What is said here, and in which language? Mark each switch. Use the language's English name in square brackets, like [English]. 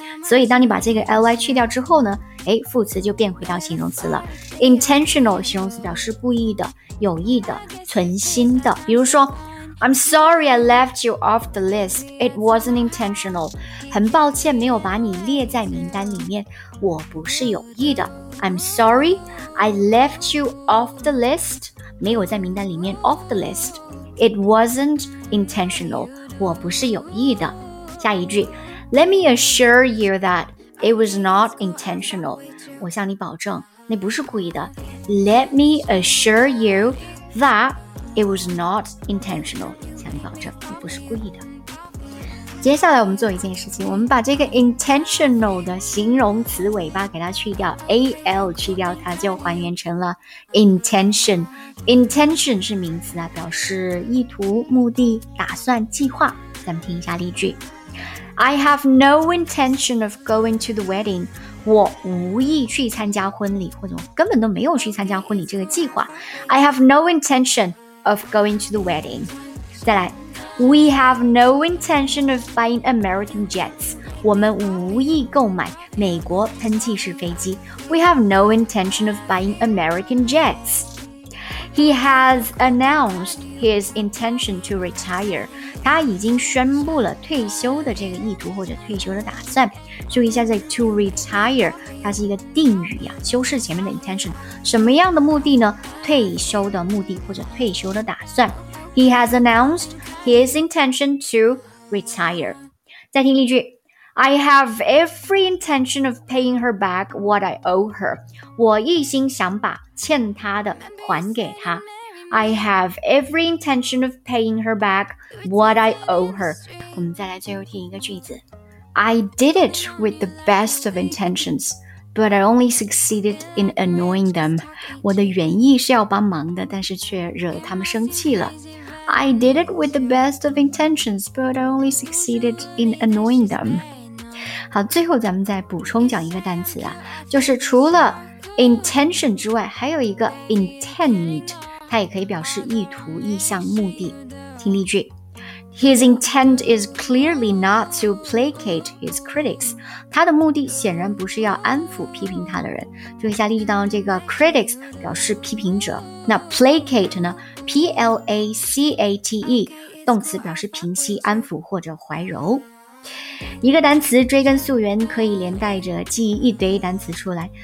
[Chinese] 所以当你把这个 ly 去掉之后呢，哎，副词就变回到形容词了。 Intentional 形容词表示故意的、有意的、存心的。比如说 [English] ，I'm sorry I left you off the list. It wasn't intentional. [Chinese] 很抱歉没有把你列在名单里面。我不是有意的。 [English] I'm sorry, I left you off the list. [Chinese] 没有在名单里面 [English] off the list. It wasn't intentional. [Chinese] 我不是有意的。下一句 [English] ，Let me assure you that it was not intentional. [Chinese] 我向你保证，那不是故意的。 [English] Let me assure you that it was not intentional. [Chinese] 向你保证，你不是故意的。接下来我们做一件事情，我们把这个 intentional 的形容词尾巴给它去掉 ，al 去掉，它就还原成了 intention。 intention 是名词啊，表示意图、目的、打算、计划。咱们听一下例句 [English] ：I have no intention of going to the wedding。 [Chinese] 我无意去参加婚礼，或者我根本都没有去参加婚礼这个计划。 [English] I have no intention of going to the wedding。再来。We have no intention of buying American jets. [Chinese] 我们无意购买美国喷气式飞机。 [English] We have no intention of buying American jets. He has announced his intention to retire. [Chinese] 他已经宣布了退休的这个意图或者退休的打算。注意一下这 [English] to retire, [Chinese] 它是一个定语啊，修饰前面的 intention。什么样的目的呢？退休的目的或者退休的打算。 [English] He has announced his intention to retire. [Chinese] 再听例句 [English] I have every intention of paying her back what I owe her. [Chinese] 我一心想把欠她的还给她。 [English] I have every intention of paying her back what I owe her. [Chinese] 我们再来最后听一个句子 [English] I did it with the best of intentions. But I only succeeded in annoying them. [Chinese] 我的原意是要帮忙的，但是却惹他们生气了。 [English] I did it with the best of intentions, but I only succeeded in annoying them. [Chinese] 好，最后咱们再补充讲一个单词啊，就是除了 intention 之外，还有一个 intent， 它也可以表示意图、意向、目的。听例句。 [English] His intent is clearly not to placate his critics. [Chinese] 他的目的显然不是要安抚批评他的人。注意一下例句当中这个 critics 表示批评者。那 placate 呢 ?P-L-A-C-A-T-E, 动词表示平息、安抚或者怀柔。一个单词追根溯源可以连带着记忆一堆单词出来。